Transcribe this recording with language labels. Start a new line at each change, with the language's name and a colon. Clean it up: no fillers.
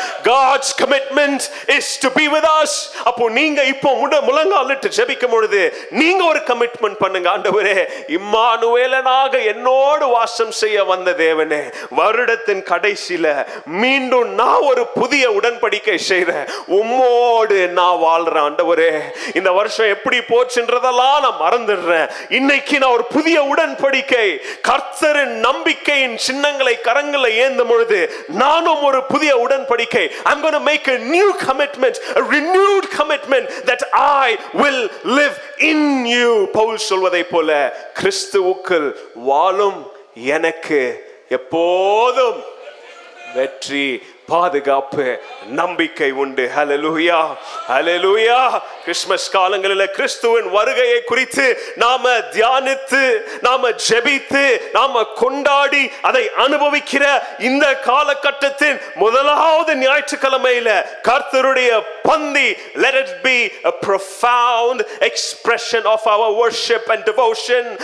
English: God's commitment is to be with us.
Tamil: அப்போ நீங்க இப்போ முழங்காலிட்டு ஜெபிக்கும் பொழுது நீங்க ஒரு கமிட்மெண்ட் பண்ணுங்க, ஆண்டவரே இம்மானுவேலனாக என்னோடு வாசம் செய்ய வந்த தேவனே, வருடத்தின் கடைசியில மீண்டும் நான் ஒரு புதிய உடன்படிக்கை செய்றேன், உம்மோடு நான் வாழ்றேன். ஆண்டவரே இந்த வருஷம் எப்படி போச்சுன்றதெல்லாம் நான் மறந்துடுறேன். இன்னைக்கு நான் ஒரு புதிய உடன்படிக்கை கர்த்தரின் நம்பிக்கையின் சின்னங்களை கரங்களை ஏந்தும் பொழுது நானும் ஒரு புதிய உடன்படிக்கை.
English: I'm going to make a new commitment, a renewed commitment that I will live in you.
Tamil: Pavul சொல்வதை போல கிறிஸ்துவுக்குள் வாழும் எனக்கு எப்போதும் வெற்றி, பாதுகாப்பு, நம்பிக்கை உண்டு. ஹல்லேலூயா, ஹல்லேலூயா. கிறிஸ்துமஸ் காலங்களில் கிறிஸ்துவின் வருகையை குறித்து நாம தியானித்து, நாம ஜெபித்து, நாம கொண்டாடி அதை அனுபவிக்கிற இந்த காலகட்டத்தின் முதலாவது ஞாயிற்றுக்கிழமையில கர்த்தருடைய பந்தி,
English: let it be a profound expression of our worship and devotion.